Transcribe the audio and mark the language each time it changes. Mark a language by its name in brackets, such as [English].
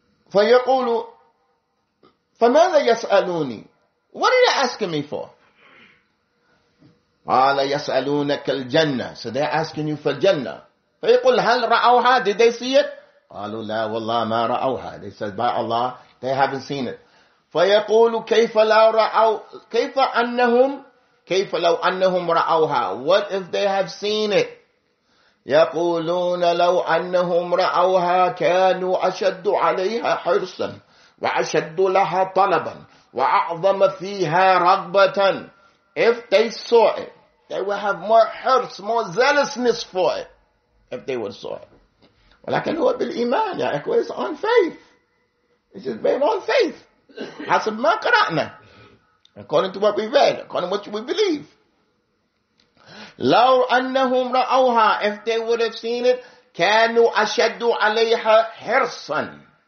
[Arabic] فَيَقُولُ فَمَاذَا يَسْأَلُونِي. [English] What are you asking me for? [Arabic] قال يسألونك الجنة. [English] So they're asking you for Jannah. [Arabic] فيقول هل رأوها? [English] Did they see it? [Arabic] قالوا لا والله ما رأوها. [English] They said by Allah, they haven't seen it. [Arabic] فيقول كيف لو رأوا كيف أنهم كيف لو أنهم رأوها? [English] What if they have seen it? [Arabic] يقولون لو أنهم رأوها كانوا أشد عليها حرصا وأشد لها طلبا وأعظم فيها رغبة. [English] If they saw it, they would have more hurts, more zealousness for it, if they would saw it. Well, I can do it with iman, ya ikhwa, it's on faith. It's just based on faith. [Arabic] حسب ما قرأنا. [English] According to what we read, according to what we believe. [Arabic] لو أنهم رأوها, [English] if they would have seen it, [Arabic] كانوا أشدوا عليها حرصا.